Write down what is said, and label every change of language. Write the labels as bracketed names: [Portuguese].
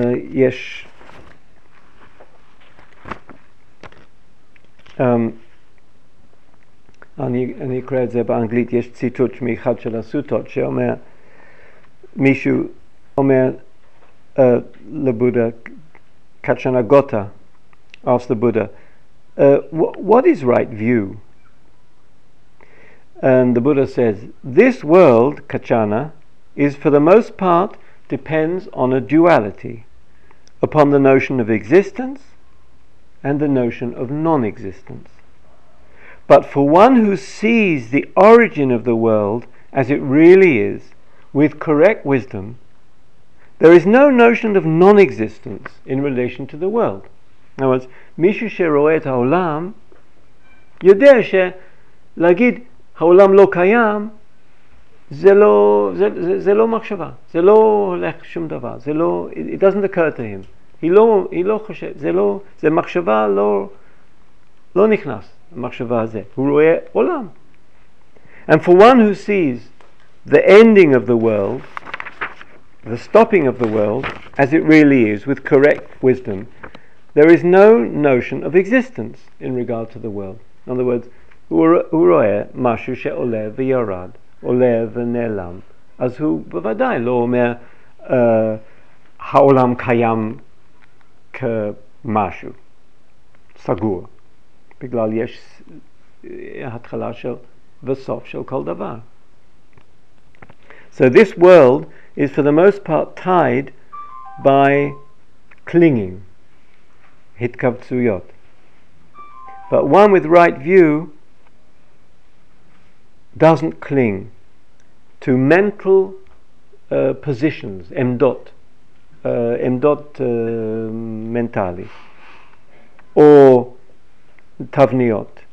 [Hebrew] יש אני אקרא את זה באנגלית, יש ציטוט מאחד של הסוטות שאומר, מישהו אומר לבודה, קצ'נה גוטה, [English] asked the Buddha, what is right view? And the Buddha says, this world, Kachana, is for the most part depends on a duality, upon the notion of existence and the notion of non-existence. But for one who sees the origin of the world as it really is, with correct wisdom, there is no notion of non-existence in relation to the world. In other words, [Hebrew] מישהו שרואה את העולם, יודע שלהגיד, העולם לא קיים, זה לא מחשבה, זה לא הולך שום דבר, זה לא, [English] it doesn't occur to him. [Hebrew] He לא חושב, זה מחשבה לא נכנס, המחשבה הזה. הוא רואה עולם. [English] And for one who sees the ending of the world, the stopping of the world, as it really is, with correct wisdom, there is no notion of existence in regard to the world. In other words, [Hebrew] הוא רואה משהו שעולה ויורד, עולה ונעלם, אז הוא בוודאי לא אומר העולם קיים כמשהו סגור, בגלל יש התחלה של וסוף של כל דבר. [English] So this world is for the most part tied by clinging, התכווצויות. But one with right view doesn't cling to mental positions, [Hebrew] emdot, mentali, or tavniot.